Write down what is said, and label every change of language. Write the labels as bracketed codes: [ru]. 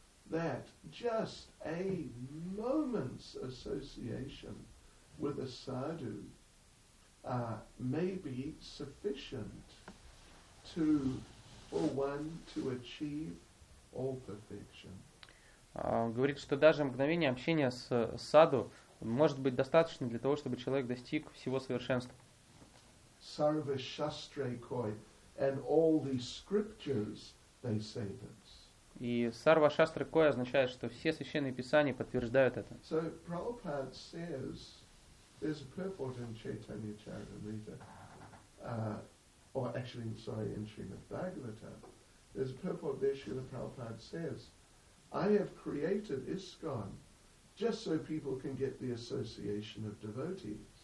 [en] That just a moment's association with a sadhu may be sufficient to for one to achieve all perfection. [ru] Говорит, что даже мгновение общения с саду может быть достаточно для того, чтобы человек достиг всего совершенства. [bn] Sarva shastre koi, [en] and all the scriptures they say that. [ru] И сарва шастры кой означает, что все священные писания подтверждают это. [en] So Prabhupada says there's a purport in Chaitanya Charitamrita, in Srimad Bhagavatam, there's a purport there Srila Prabhupada says, I have created ISKCON just so people can get the association of devotees.